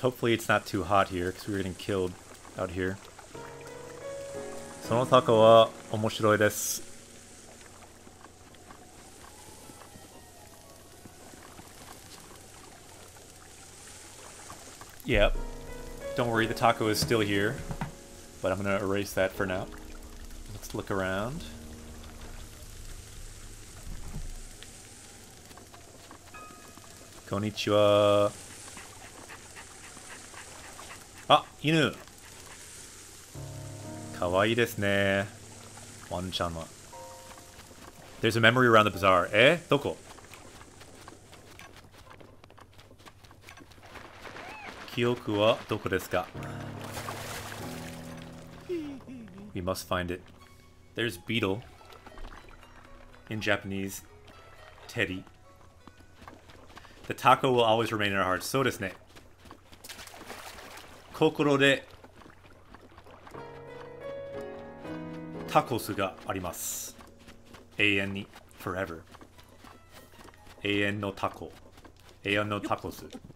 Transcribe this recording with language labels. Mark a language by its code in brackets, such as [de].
[en] Hopefully it's not too hot here because we were getting killed out here. [ja] そのタコは面白いです。 [en] Yep. Don't worry, the taco is still here. But I'm going to erase that for now. Let's look around. [ja] こんにちは。あ、犬。かわいいですね。ワンちゃんは。 [en] There's a memory around the bazaar. [ja] どこ？記憶はどこですか？ [en] We must find it. There's Beetle. In Japanese, Teddy. The taco will always remain in our hearts. [ja] そうですね。心でタコスがあります。永遠に、forever。永遠のタコ、永遠のタコス。